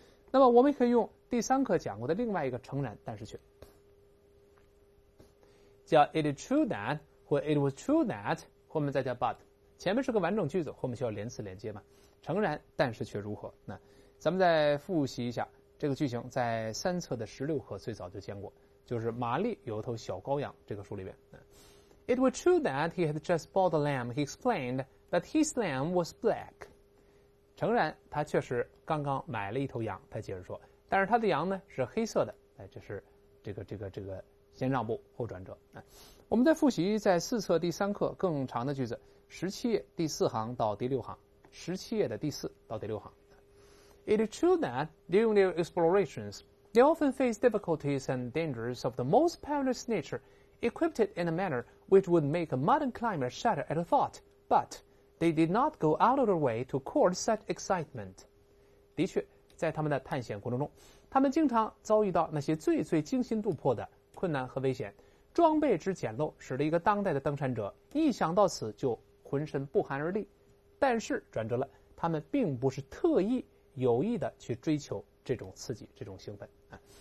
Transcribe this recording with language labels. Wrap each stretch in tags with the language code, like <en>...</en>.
<zh>那么我们可以用第三课讲过的另外一个诚然但是却，叫</zh> <en>It is true that</en> <zh>或</zh> <en>It was true that</en> <zh>后面再加</zh> <en>but，</en> <zh>前面是个完整句子，后面需要连词连接嘛？诚然，但是却如何？那咱们再复习一下这个句型，在三册的十六课最早就见过，就是玛丽有一头小羔羊这个书里边。</zh> <en>It was true that he had just bought a lamb. He explained that his lamb was black.</en> <zh>诚然，他确实刚刚买了一头羊。他解释说，但是他的羊呢是黑色的。哎，这是这个先让步后转折。我们再复习在四册第三课更长的句子，十七页第四行到第六行，十七页的第四到第六行。</zh> <en>It is true that during their explorations, they often face difficulties and dangers of the most perilous nature. Equipped in a manner which would make a modern climber shudder at a thought, but they did not go out of their way to court such excitement.</en> <zh>的确，在他们的探险过程中，他们经常遭遇到那些最最惊心动魄的困难和危险。装备之简陋，使得一个当代的登山者一想到此就浑身不寒而栗。但是转折了，他们并不是特意有意的去追求这种刺激、这种兴奋啊。</zh>